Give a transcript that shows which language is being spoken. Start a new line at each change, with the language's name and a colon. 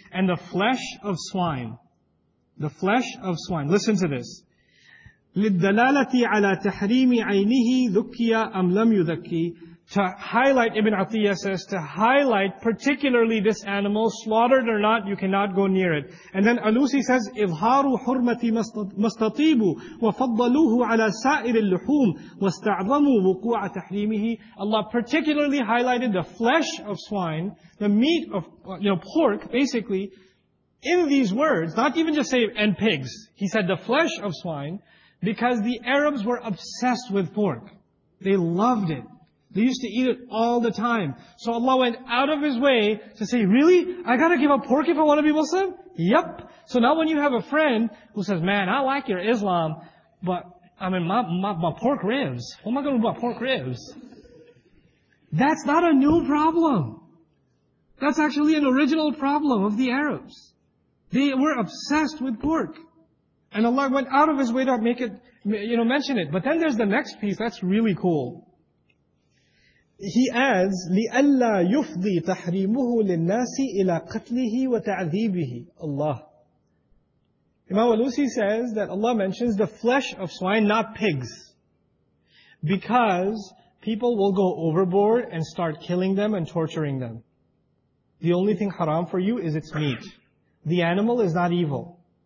English: And the flesh of swine. The flesh of swine. Listen to this.
Arabic: لِلْدَلَالَةِ عَلَىٰ تَحْرِيمِ عَيْنِهِ ذُكِّيَ أَمْ لَمْ يُذَكِّي
English: to highlight, Ibn Atiyah says, to highlight particularly this animal, slaughtered or not, you cannot go near it. And then Alusi says,
Arabic: إِظْهَارُ حُرْمَةِ مَسْتَطِيبُ وَفَضَّلُوهُ عَلَىٰ سَائِرِ اللُّحُومِ وَاسْتَعْظَمُوا وُقُوعَ تَحْرِيمِهِ.
English: Allah particularly highlighted the flesh of swine, the meat of, pork, basically, in these words, not even just say, and pigs. He said the flesh of swine, because the Arabs were obsessed with pork. They loved it. They used to eat it all the time. So Allah went out of His way to say, really? I gotta give up pork if I want to be Muslim? Yep. So now when you have a friend who says, man, I like your Islam, but I mean, my pork ribs. What am I gonna do about pork ribs? That's not a new problem. That's actually an original problem of the Arabs. They were obsessed with pork. And Allah went out of His way to make it, mention it. But then there's the next piece that's really cool. He adds,
Arabic: لِأَلَّا يُفْضِي تَحْرِيمُهُ لِلنَّاسِ إِلَىٰ قَتْلِهِ وَتَعْذِيبِهِ.
English: Allah. Imam Alusi says that Allah mentions the flesh of swine, not pigs. Because people will go overboard and start killing them and torturing them. The only thing haram for you is its meat. The animal is not evil.